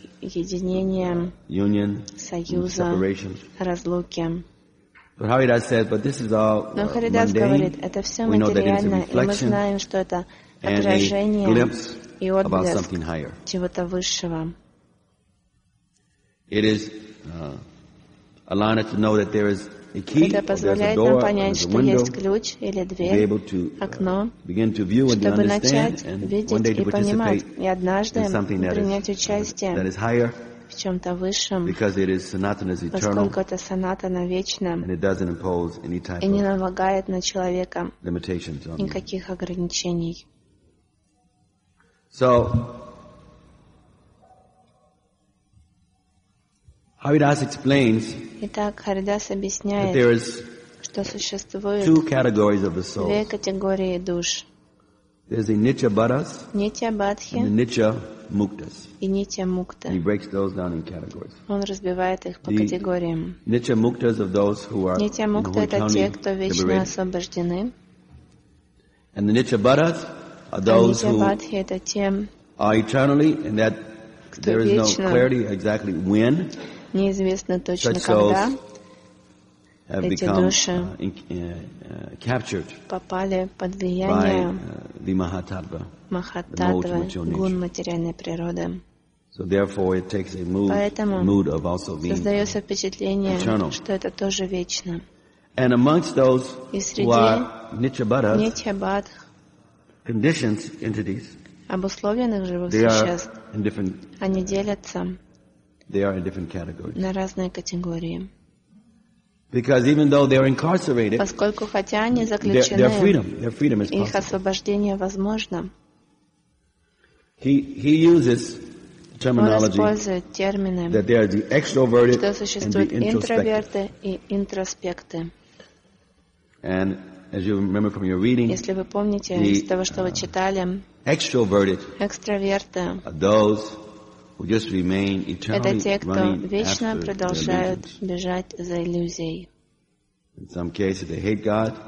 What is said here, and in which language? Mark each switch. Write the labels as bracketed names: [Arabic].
[Russian] единение, [English] union, [Russian] союза, разлуки. [English] But Haridas says, but this is all [Russian] но Харидас говорит, это все материально, и мы знаем, что это отражение и отблеск чего-то высшего. [English] It is, allowing us to know that there is a key, [Russian] это позволяет [English] there's a door, [Russian] нам понять, [English] there's a window, [Russian] что есть ключ или дверь, [English] to be able to, [Russian] окно, [English] begin to view and [Russian] чтобы [English] to understand, [Russian] начать видеть [English] and one day [Russian] и понимать, и однажды принять [English] is, [Russian] участие [English] that is higher, [Russian] в чем-то высшем, [English] because it is sanatana, is eternal, [Russian] поскольку это санатана вечна, [English] and it doesn't impose any type [Russian] и не налагает на человека [English] limitations on [Russian] никаких [English] him. [Russian] Ограничений. [English] So, Haridas explains [Russian] Итак, Haridas объясняет, [English] that there is [Russian] что существует [English] two categories of the souls. [Russian] Две категории душ. [English] There's the Nitya Bhadas and the Nitya Muktas. [Russian] И Нитья Мукта. [English] He breaks those down in categories. [Russian] Он разбивает их по категориям. [English] Nitya Muktas of those who are [Russian] Нитья Мукта это те, кто вечно освобождены. [English] And the Nitya Bhadas are those who [Russian] Нитья Бадхи это тем, [English] are eternally and that there is no clarity exactly when. [Russian] Неизвестно точно [English] such souls [Russian] когда. [English] Have [Russian] эти [English] become, [Russian] души [English] captured [Russian] попали под влияние [English] the Mahatattva, [Russian] Mahatattva, гун материальной природы. [English] So therefore it takes a mood, [Russian] поэтому [English] a mood of also being [Russian] создается впечатление, [English] eternal. [Russian] Что это тоже вечно. [English] And amongst those [Russian] и среди [English] Nityabhadas, [Russian] Nityabhadh, [English] conditioned entities, [Russian] обусловленных живых [English] they [Russian] существ, [English] are in different, [Russian] они делятся [English] they are in different categories. [Russian] На разные категории. [English] Because even though they are incarcerated, [Russian] поскольку хотя они заключены, [English] their freedom is [Russian] их освобождение возможно. [English] He uses terminology that there are the extroverted and the introspective. And as you remember from your reading, [Russian] если вы помните из того, что вы читали, [English] extroverted are those who just remain eternally [Russian] те, [English] running after illusions. [Russian] Иллюзией. [English] In some cases, they hate God.